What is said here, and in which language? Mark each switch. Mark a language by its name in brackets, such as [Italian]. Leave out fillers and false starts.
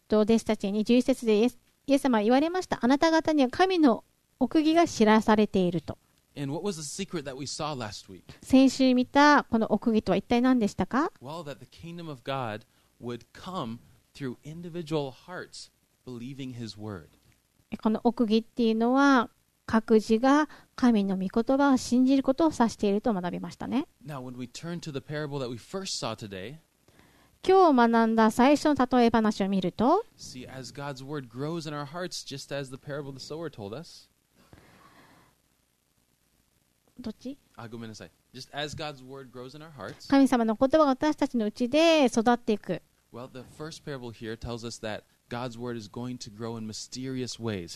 [Japanese] 弟子たちに11節でイエス様は言われました。あなた方には神の奥義が知らされていると。 [English] And what was the secret that we saw last week? [Japanese] 先週見たこの奥義とは一体何でしたか? [English] Well, that the kingdom of God would come through individual hearts believing His word. [Japanese] この奥義っていうのは各自が神の御言葉を信じることを指していると学びましたね。 [English] Now, when we turn to the parable that we first saw today, [Japanese] 今日学んだ最初の例え話を見ると [English] See, as God's word grows in our hearts, just as the parable the sower told us, [Japanese] どっち? ごめんなさい。 [English] Just as God's word grows in our hearts, [Japanese] 神様の言葉が私たちのうちで育っていく。 [English] Well, the first parable here tells us that God's word is going to grow in mysterious ways.